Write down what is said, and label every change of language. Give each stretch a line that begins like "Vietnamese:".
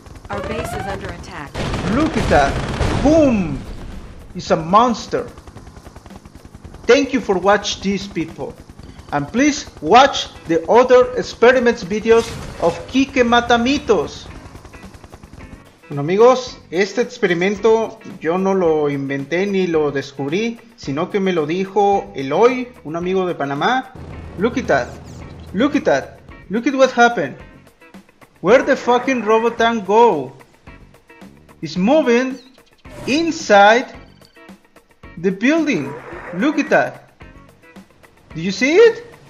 English: Our base is under attack. Look at that. Boom! It's a monster. Thank you for watching these people, and please watch the other experiments videos of Kike Matamitos.
Spanish: Bueno amigos, este experimento yo no lo inventé ni lo descubrí, sino que me lo dijo Eloy, un amigo de Panamá.
English: Look at that, look at that, look at what happened. Where the fucking robot tank go? It's moving inside the building. Look at that! Do you see it?